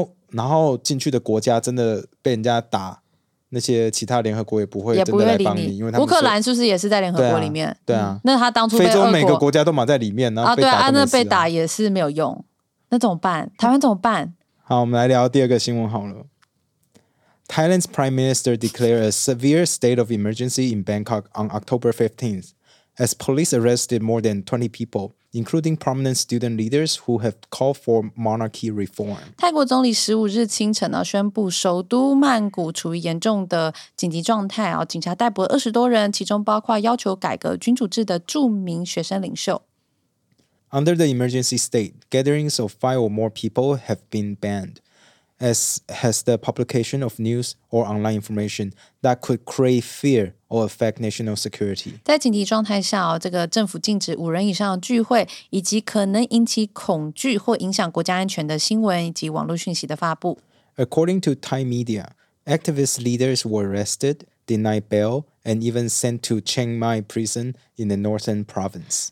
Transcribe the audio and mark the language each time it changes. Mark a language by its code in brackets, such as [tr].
[zh] 然后进去的国家真的被人家打，那些其他联合国也不会真的来帮你，因为乌克兰是不是也是在联合国里面？对啊，嗯、那他当初非洲每个国家都埋在里面，然后被打都没事啊，那被打也是没有用，那怎么办？台湾怎么办？好，我们来聊第二个新闻好了。 [en] Thailand's Prime Minister declared a severe state of emergency in Bangkok on October 15th as police arrested more than 20 people. including prominent student leaders who have called for monarchy reform. [zh] 泰国总理15日清晨呢宣布首都曼谷处于严重的紧急状态，警察逮捕了20多人，其中包括要求改革君主制的著名学生领袖。 [en] Under the emergency state, gatherings of 5 or more people have been banned, as has the publication of news or online information that could create fear. Or affect national security. [zh] 在紧急状态下，这个政府禁止五人以上的聚会，以及可能引起恐惧或影响国家安全的新闻以及网络讯息的发布。 [en] According to Thai media, activist leaders were arrested, denied bail, and even sent to Chiang Mai prison in the northern province.